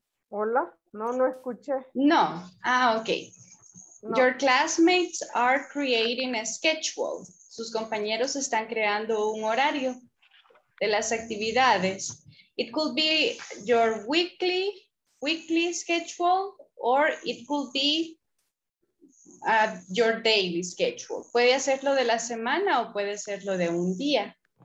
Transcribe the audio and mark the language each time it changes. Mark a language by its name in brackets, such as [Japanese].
[Spanish] Hola, no escuché. [English] No. Ah, okay. No. Your classmates are creating a schedule. [Spanish] Sus compañeros están creando un horario de las actividades. [English] It could be your weekly schedule, or it could be your daily schedule. [Spanish] Puede hacerlo de la semana o puede hacerlo de un día.